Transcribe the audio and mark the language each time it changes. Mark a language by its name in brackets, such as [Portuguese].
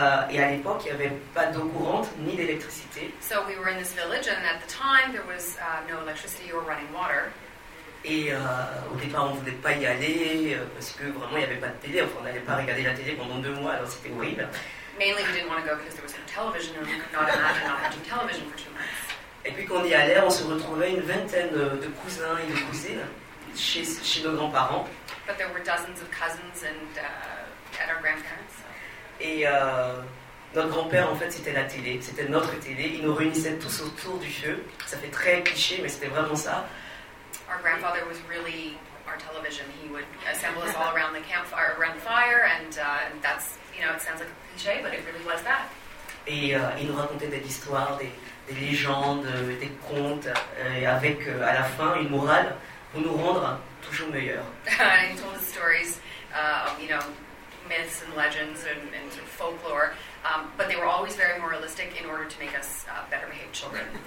[French] Et à l'époque, il n'y avait pas d'eau courante ni d'électricité. [English] So we were in this village, and at the time, there was no electricity or running water. [French] Et au départ, on ne voulait pas y aller parce que vraiment, il n'y avait pas de télé. Enfin, on n'allait pas regarder la télé pendant 2 mois, alors c'était horrible. [English] Mainly, we didn't want to go because there was no television, and we could not imagine not having television for 2 months. [French] Et puis, quand on y allait, on se retrouvait une vingtaine de cousins et de cousines chez nos grands-parents. [English] But there were dozens of cousins and at our grandparents. [French] Et notre grand-père, en fait, c'était la télé. C'était notre télé. Il nous réunissait tous autour du feu. Ça fait très cliché, mais c'était vraiment ça. [English] Our grandfather was really our television. He would assemble us all around the campfire, around the fire, and that's, you know, it sounds like a cliché, but it really was that. [French] Et il nous racontait des histoires, des légendes, des contes, et avec, à la fin, une morale pour nous rendre toujours meilleurs. [English] He told us stories, you know, myths and legends and sort of folklore, but they were always very moralistic in order to make us better behaved children.